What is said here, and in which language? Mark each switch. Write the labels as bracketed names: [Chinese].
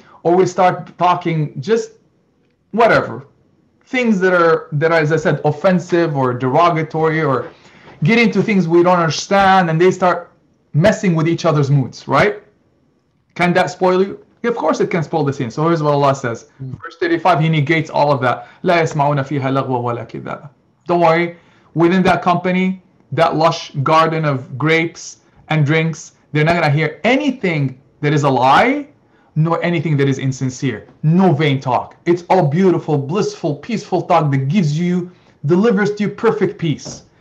[English] Or we start talking just whatever. Things that are, as I said, offensive or derogatory, or get into things we don't understand, and they start messing with each other's moods, right? Can that spoil you? Of course it can spoil the scene. So here's what Allah says. Verse 35, he negates all of that. [Arabic] لا يسمعون فيها لغوة ولا كذا. [English] Don't worry. Within that company, that lush garden of grapes and drinks, they're not going to hear anything that is a lie, nor anything that is insincere. No vain talk. It's all beautiful, blissful, peaceful talk that delivers to you perfect peace.